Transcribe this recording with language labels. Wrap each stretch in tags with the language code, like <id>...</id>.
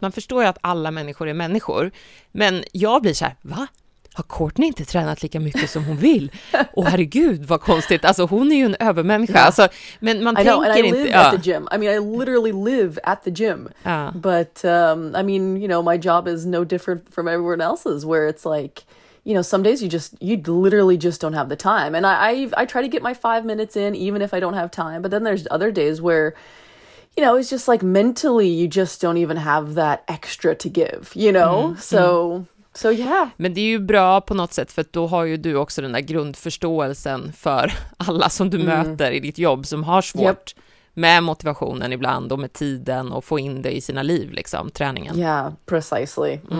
<sv>Man förstår ju att alla människor är människor. Men jag blir så här, va? Har Courtney inte tränat lika mycket som hon vill? Och herregud, vad konstigt. Alltså, hon är ju en övermänniska. Yeah. Alltså, men man</sv> <en>I know,</en> <sv>tänker inte...</sv> <en>I live at the gym. I mean, I literally live at the gym. Yeah. But, I mean, you know, my job is no different from everyone else's, where it's like... You know, some days you literally just don't have the time. And I try to get my 5 minutes in, even if I don't have time. But then there's other days where, you know, it's just like mentally, you just don't even have that extra to give, you know? So yeah.</en> <sv>Men det är ju bra på något sätt, för då har ju du också den där grundförståelsen för alla som du möter i ditt jobb som har svårt med motivationen ibland och med tiden och få in det i sina liv, liksom, träningen.</sv> <en>Yeah, precisely.</en>